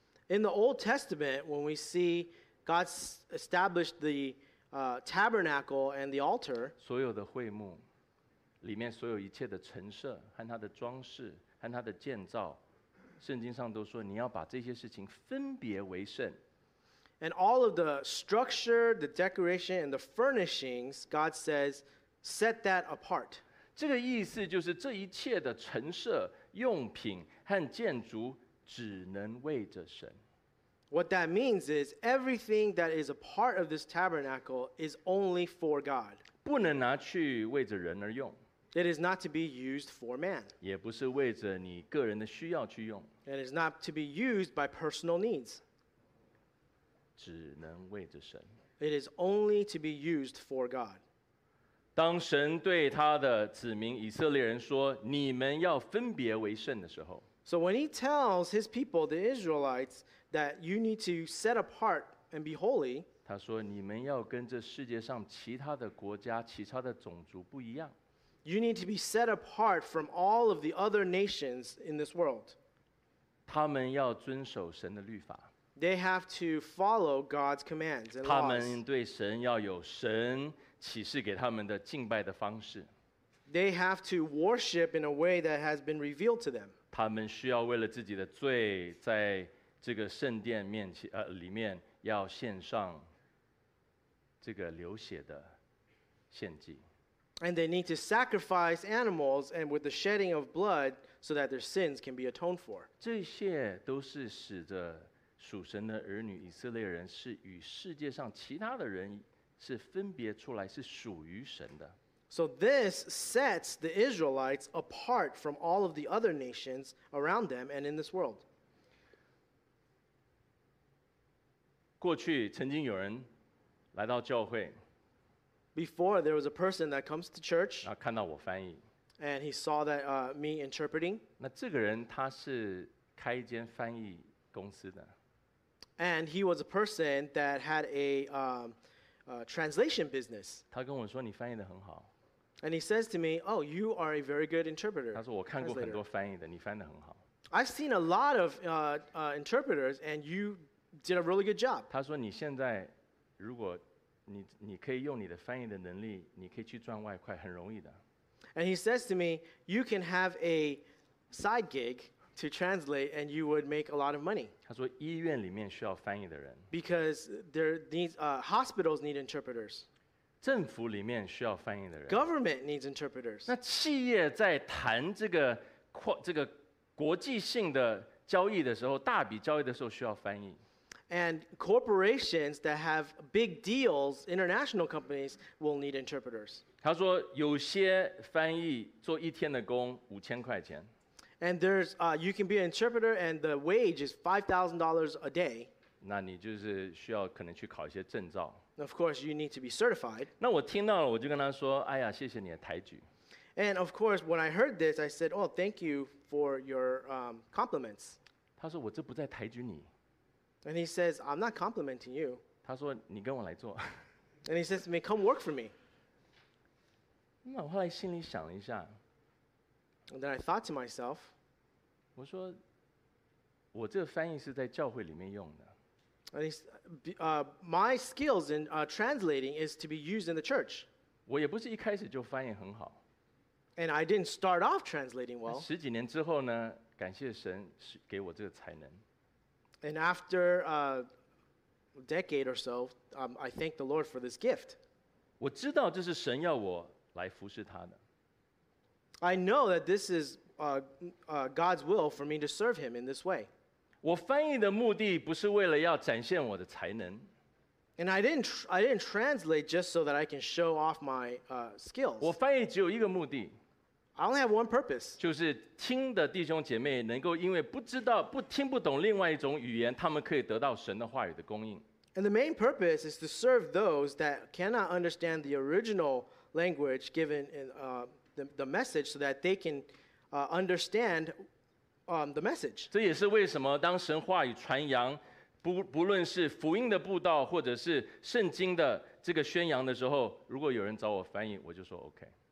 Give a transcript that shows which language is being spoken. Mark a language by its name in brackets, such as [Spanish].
[English] In the Old Testament, when we see God established the tabernacle and the altar. [Chinese] 所有的会幕，里面所有一切的陈设和它的装饰和它的建造，圣经上都说你要把这些事情分别为圣。 [English] And all of the structure, the decoration, and the furnishings, God says, set that apart. [Chinese] 这个意思就是这一切的陈设用品和建筑只能为着神。 [English] What that means is everything that is a part of this tabernacle is only for God. [Chinese] 不能拿去为着人而用。 [English] It is not to be used for man. [Chinese] 也不是为着你个人的需要去用。 [English] It is not to be used by personal needs. [Chinese] 只能为着神。 [English] It is only to be used for God. [Chinese] 当神对他的子民以色列人说，你们要分别为圣的时候。 [English] So when he tells his people, the Israelites, that you need to set apart and be holy. [Chinese] 他说你们要跟这世界上其他的国家其他的种族不一样。 [English] You need to be set apart from all of the other nations in this world. [Chinese] 他们要遵守神的律法。 [English] They have to follow God's commands and laws. [Chinese] 他们对神要有神启示给他们的敬拜的方式。 [English] They have to worship in a way that has been revealed to them. [Chinese] 他们需要为了自己的罪，在这个圣殿面前里面要献上这个流血的献祭。 [English] And they need to sacrifice animals and with the shedding of blood so that their sins can be atoned for. [Chinese] 这些都是使得属神的儿女以色列人是与世界上其他的人是分别出来，是属于神的。 [English] So this sets the Israelites apart from all of the other nations around them and in this world. [Chinese] 过去曾经有人来到教会。 [English] Before there was a person that comes to church, [Chinese] 然后看到我翻译。 [English] And he saw that me interpreting. [Chinese] 那这个人他是开一间翻译公司的。 [English] And he was a person that had a translation business. [Chinese] 他跟我说你翻译得很好。 [English] And he says to me, oh, you are a very good interpreter. [Chinese] 他说我看过很多翻译的，你翻得很好。 [English] I've seen a lot of interpreters, and you did a really good job. [Chinese] 他说你现在如果你可以用你的翻译的能力，你可以去赚外快，很容易的。 [English] And he says to me, you can have a side gig to translate, and you would make a lot of money. [Chinese] 他说医院里面需要翻译的人。 [English] Because there these hospitals need interpreters. [Chinese] 政府里面需要翻译的人。 [English] Government needs interpreters. [Chinese] 那企业在谈这个国际性的交易的时候，大笔交易的时候需要翻译。 [English] And corporations that have big deals, international companies will need interpreters. [Chinese] 他说有些翻译做一天的工5000块钱。 [English] And there's you can be an interpreter and the wage is $5,000 a day. [Chinese] 那你就是需要可能去考一些证照。 [English] Of course, you need to be certified. [Chinese] 那我听到了，我就跟他说：“哎呀，谢谢你的抬举。” [English] And of course, when I heard this, I said, "Oh, thank you for your compliments." [Chinese] 他说：“我这不在抬举你。” [English] And he says, "I'm not complimenting you." [Chinese] 他说：“你跟我来做。” [English] And he says to me, "Come work for me." [Chinese] 那我后来心里想了一下。 [English] And then I thought to myself, [Chinese] 我说：“我这个翻译是在教会里面用的。” [English] And my skills in translating is to be used in the church. [Chinese] 我也不是一开始就翻译很好。 [English] And I didn't start off translating well. [Chinese] 十几年之后呢，感谢神给我这个才能。 [English] And after a decade or so, I thank the Lord for this gift. [Chinese] 我知道这是神要我来服侍他的。 [English] I know that this is God's will for me to serve Him in this way. [Chinese] 我翻译的目的不是为了要展现我的才能。 [English] And I didn't translate just so that I can show off my skills. [Chinese] 我翻译只有一个目的。 [English] I only have one purpose. [Chinese] 就是听的弟兄姐妹能够因为不知道不听不懂另外一种语言，他们可以得到神的话语的供应。 [English] And the main purpose is to serve those that cannot understand the original language given in the message so that they can understand. The message. [Chinese] 这也是为什么当神话语传扬，不论是福音的布道，或者是圣经的这个宣扬的时候，如果有人找我翻译，我就说 OK.